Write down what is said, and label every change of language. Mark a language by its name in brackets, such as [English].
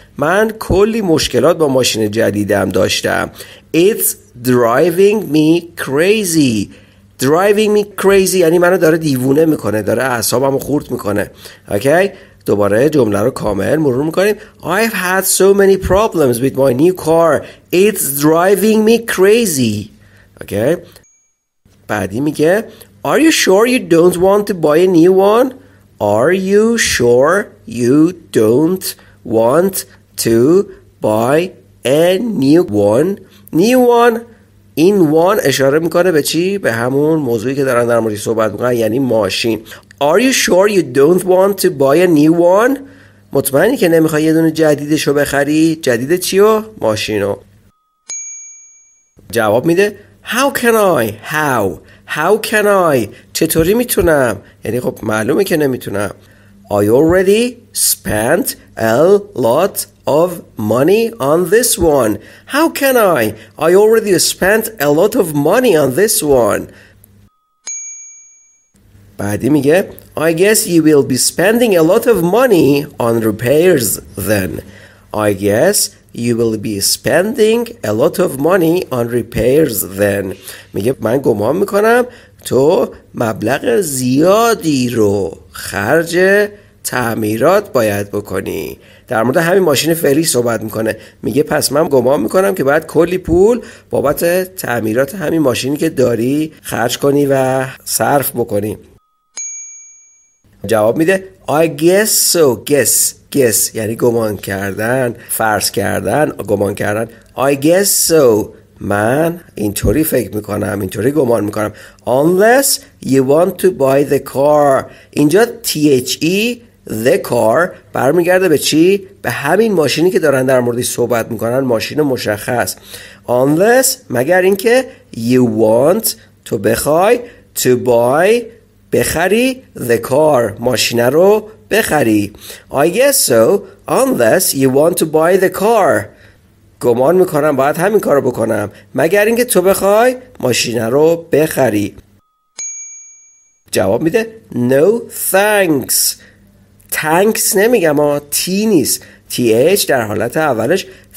[Persian] من کلی مشکلات با ماشین جدیدم داشتم. [English] It's driving me crazy. [Persian] Driving me crazy یعنی منو داره دیوونه میکنه، داره اعصابمو خورد میکنه. اوکی؟ دوباره جمله رو کامل مرور میکنیم. [English] I've had so many problems with my new car. It's driving me crazy. Okay. [Persian] بعدی میگه [English] Are you sure you don't want to buy a new one? Are you sure you don't want to buy a new one? New one. [Persian] این وان اشاره میکنه به چی؟ به همون موضوعی که دارن در موردش صحبت میکنن، یعنی ماشین. [English] Are you sure you don't want to buy a new one؟ [Persian] مطمئنی که نمیخوای یه دونه جدیدشو بخری؟ جدید چیو؟ ماشینو. جواب میده [English] How can I؟ How؟ How can I؟ [Persian] چطوری میتونم؟ یعنی خب معلومه که نمیتونم. [English] I already spent a lot of money on this one. How can I? I already spent a lot of money on this one. [Persian] بعدی میگه [English] I guess you will be spending a lot of money on repairs then. I guess you will be spending a lot of money on repairs then. [Persian] میگه من گمان میکنم تو مبلغ زیادی رو خرج تعمیرات باید بکنی. در مورد همین ماشین فعلی صحبت میکنه، میگه پس من گمان میکنم که باید کلی پول بابت تعمیرات همین ماشینی که داری خرج کنی و صرف بکنی. جواب میده [English] I guess so. [Persian] guess یعنی گمان کردن، فرض کردن، گمان کردن. [English] I guess so. [Persian] من اینطوری فکر میکنم، اینطوری گمان میکنم. [English] Unless you want to buy the car. [Persian] اینجا [English] THE the car [Persian] برمیگرده به چی؟ به همین ماشینی که دارن در موردش صحبت میکنن، ماشین مشخص. [English] Unless [Persian] مگر اینکه [English] you want [Persian] تو بخوای [English] to buy [Persian] بخری [English] the car [Persian] ماشین رو بخری. [English] I guess so unless you want to buy the car. [Persian] گمان میکنم باید همین کارو بکنم، مگر اینکه تو بخوای ماشین رو بخری. جواب میده [English] No thanks. [Persian] Thanks نمیگم، آ تی نیست، تی اچ در حالت اولش.